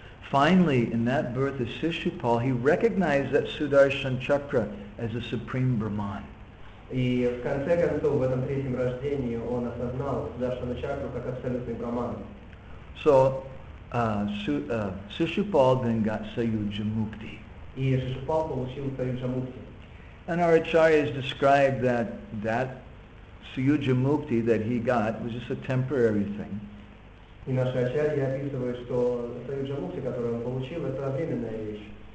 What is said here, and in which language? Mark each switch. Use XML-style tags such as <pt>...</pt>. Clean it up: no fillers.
<en>Finally, in that birth of Shishupal, he recognized that Sudarshan Chakra as the Supreme Brahman.</en> <ru>И в конце концов, в этом третьем рождении, он осознал Сударшану Чакру как абсолютный браман.</ru> <en>So, Shishupal then got Саюджа Мукти.</en> <ru>И Шишупал получил Саюджа Мукти.</ru> <en>And our Acharyas described that Саюджа Мукти that he got was just a temporary thing.</en> <ru>И наши Ачарьи описывают, что Саюджа Мукти, который он получил, это временная вещь.</ru>